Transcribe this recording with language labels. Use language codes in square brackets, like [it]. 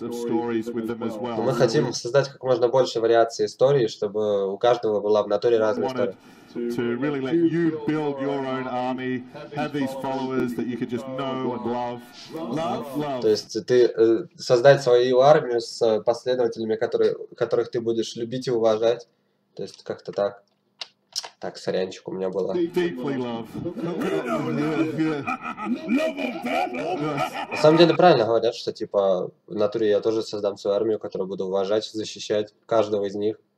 [ru] Мы хотим создать как можно больше вариаций истории, чтобы у каждого была в натуре разная история. [en] to really let you build your own army, have these followers that you could just know and love. [ru] То есть ты создать свою армию с последователями, которых ты будешь любить и уважать. То есть как-то так. Так, сорянчик у меня было. На самом деле правильно говорят, что типа в натуре я тоже создам свою армию, которую буду уважать, защищать каждого из них.